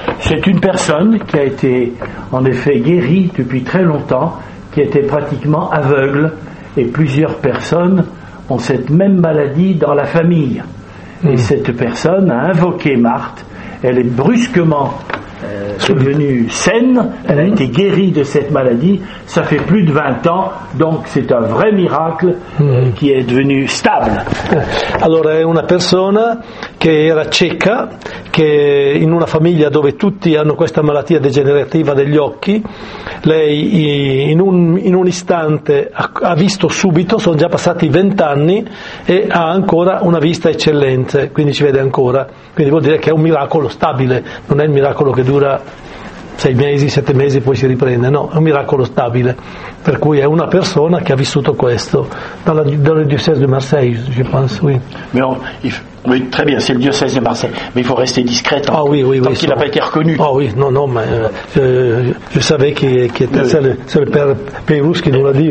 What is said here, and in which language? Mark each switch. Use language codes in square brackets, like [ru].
[fr] C'est une personne qui a été en effet guérie depuis très longtemps, qui était pratiquement aveugle, et plusieurs personnes ont cette même maladie dans la famille. Mm. Et cette personne a invoqué Marthe, elle est brusquement devenue saine, elle a été guérie de cette maladie, ça fait plus de 20 ans, donc c'est un vrai miracle qui est devenu stable. [it] Allora è una persona che era cieca, che in una famiglia dove tutti hanno questa malattia degenerativa degli occhi, lei in un istante ha visto subito, sono già passati 20 anni e ha ancora una vista eccellente, quindi ci vede ancora, quindi vuol dire che è un miracolo stabile, non è il miracolo che dura 6 mesi, 7 mesi e poi si riprende, no, è un miracolo stabile, per cui è una persona che ha vissuto questo, dalla diocesi di Marseille, [fr] je pense, oui. Oui, très bien, c'est le diocèse de Marseille, mais il faut rester discrète. Ah oui, tant qu'il n'a pas été reconnu. Ah oui, non, mais je savais qui était c'est le père Pérouse qui nous l'a dit.